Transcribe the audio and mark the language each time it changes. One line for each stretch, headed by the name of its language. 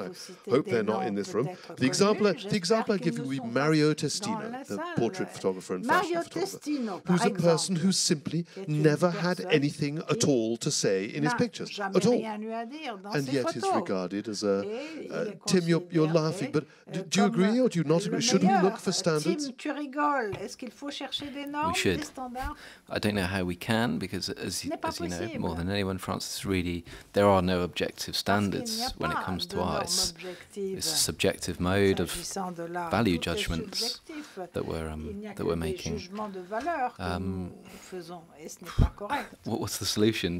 English: I hope they're not in this room. The example I give you would be Mario Testino, the portrait photographer and fashion photographer, who's a person who simply never had anything at all to say in his pictures, at all. And yet is regarded as a... Tim, you're laughing, but do you agree or do you not agree? Should we look for standards?
French: Tim, tu rigoles. Est-ce qu'il faut chercher des normes, des standards?
English: I don't know how we can, because as you know, more than anyone, France is really, there are no objective standards when it comes to art. It's a subjective mode of value judgments that we're making. What was the solution?